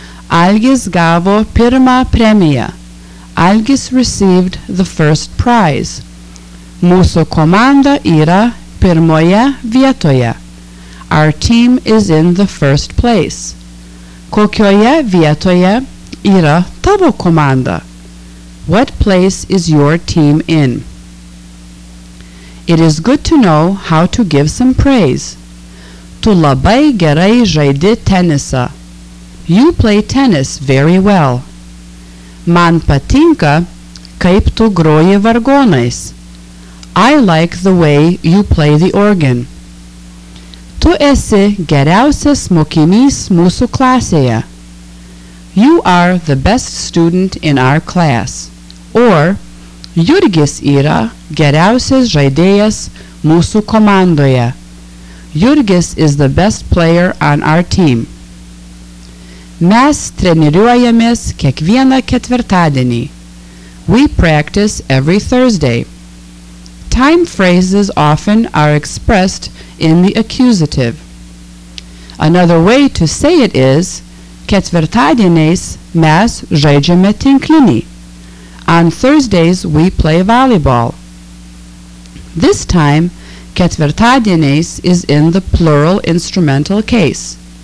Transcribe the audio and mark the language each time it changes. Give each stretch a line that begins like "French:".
Lithuanian: Algis gavo pirmą premiją.
English: Algis received the first prize.
Lithuanian: Mūsų komanda yra pirmoje vietoje.
English: Our team is in the first place.
Lithuanian: Kokioje vietoje yra tavo komanda?
English: What place is your team in? It is good to know how to give some praise.
Lithuanian: Tu labai gerai žaidi tenisą.
English: You play tennis very well.
Lithuanian: Man patinka, kaip tu groji vargonais.
English: I like the way you play the organ.
Lithuanian: Tu esi geriausias mokinys mūsų klasėje.
English: You are the best student in our class.
Lithuanian: Or, Jurgis yra geriausias žaidėjas mūsų komandoje.
English: Jurgis is the best player on our team.
Lithuanian: Mes treniruojamės kiekvieną ketvirtadienį.
English: We practice every Thursday. Time phrases often are expressed in the accusative. Another way to say it is,
Lithuanian: ketvirtadieniais mes žaidžiame tinklinį.
English: On Thursdays we play volleyball. This time, ketvirtadieniais is in the plural instrumental case.